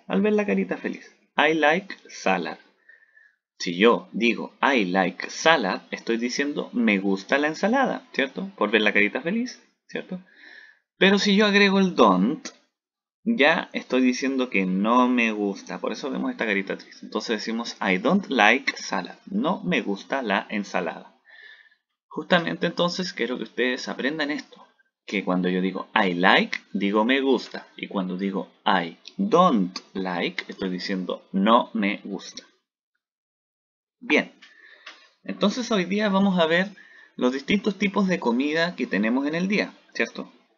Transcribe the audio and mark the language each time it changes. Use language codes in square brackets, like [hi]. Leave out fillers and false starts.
[es] Al ver la carita feliz. [en] I like salad. [es] Si yo digo I like salad, estoy diciendo me gusta la ensalada, ¿cierto? Por ver la carita feliz, ¿cierto? Pero si yo agrego el don't, ya estoy diciendo que no me gusta. Por eso vemos esta carita triste. Entonces decimos [en] I don't like salad. [es] No me gusta la ensalada. Justamente entonces quiero que ustedes aprendan esto. Que cuando yo digo [en] I like, [es] digo me gusta. Y cuando digo [en] I don't like, [es] estoy diciendo no me gusta. Bien, entonces hoy día vamos a ver los distintos tipos de comida que tenemos en el día, ¿cierto?